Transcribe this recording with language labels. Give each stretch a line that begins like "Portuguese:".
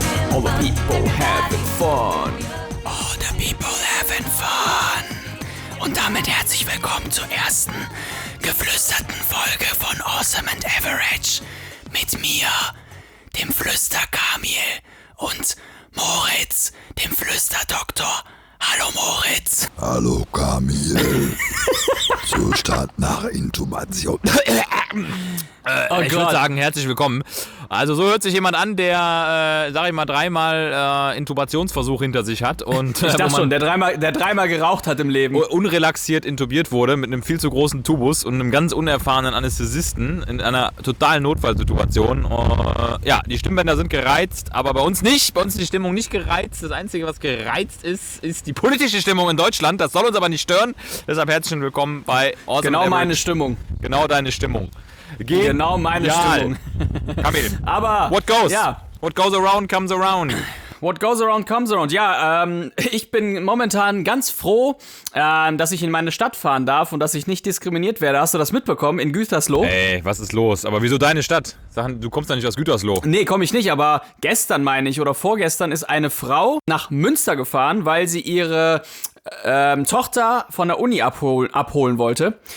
English: All the people having fun. All the people having fun.
German: Und damit herzlich willkommen zur ersten geflüsterten Folge von Awesome and Average mit mir, dem Flüster-Kamil, und Moritz, dem Flüster-Doktor. Hallo Moritz. Hallo Kamil. Zur Start nach Intubation. Ich würde sagen, herzlich willkommen. Also so hört sich jemand an, der, sag ich mal, dreimal Intubationsversuch hinter sich hat. Und, ich dachte schon, der dreimal geraucht hat im Leben. Unrelaxiert intubiert wurde mit einem viel zu großen Tubus und einem ganz unerfahrenen Anästhesisten in einer totalen Notfallsituation. Ja, die Stimmbänder sind gereizt, aber bei uns nicht. Bei uns ist die Stimmung nicht gereizt. Das Einzige, was gereizt ist, ist die politische Stimmung in Deutschland. Das soll uns aber nicht stören. Deshalb herzlich willkommen bei Awesome. Genau meine Stimmung. Genau deine Stimmung. Genau meine Stimmung. Kamil. Aber
English: what goes? Ja. What goes around comes around. What goes around comes around.
German: Ja, ich bin momentan ganz froh, dass ich in meine Stadt fahren darf und dass ich nicht diskriminiert werde. Hast du das mitbekommen? In Gütersloh? Ey, was ist los? Aber wieso deine Stadt? Du kommst ja nicht aus Gütersloh. Nee, komme ich nicht. Aber gestern, meine ich, oder vorgestern, ist eine Frau nach Münster gefahren, weil sie ihre Tochter von der Uni abholen wollte.